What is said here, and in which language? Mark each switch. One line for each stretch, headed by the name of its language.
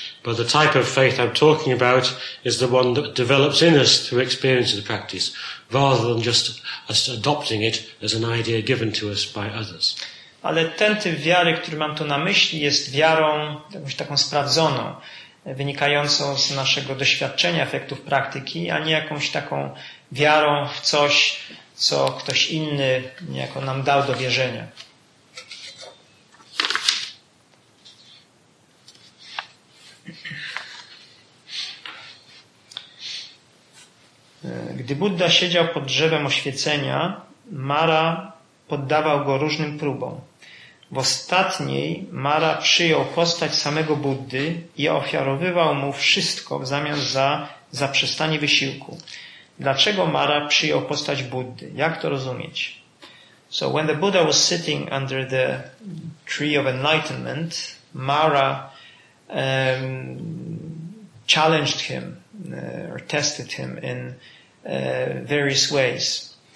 English: But the type of faith I'm talking about is the one that develops in us through experience of the practice, rather than just adopting it as an idea given to us by others.
Polish: Ale ten typ wiary, który mam tu na myśli, jest wiarą jakąś taką sprawdzoną, wynikającą z naszego doświadczenia efektów praktyki, a nie jakąś taką wiarą w coś, co ktoś inny niejako nam dał do wierzenia. Gdy Budda siedział pod drzewem oświecenia, Mara poddawał go różnym próbom. W ostatniej Mara przyjął postać samego Buddy i ofiarowywał mu wszystko w zamian za zaprzestanie wysiłku. Dlaczego Mara przyjął postać Buddy? Jak to rozumieć?
English: So when the Buddha was sitting under the tree of enlightenment, Mara challenged him or tested him in various ways.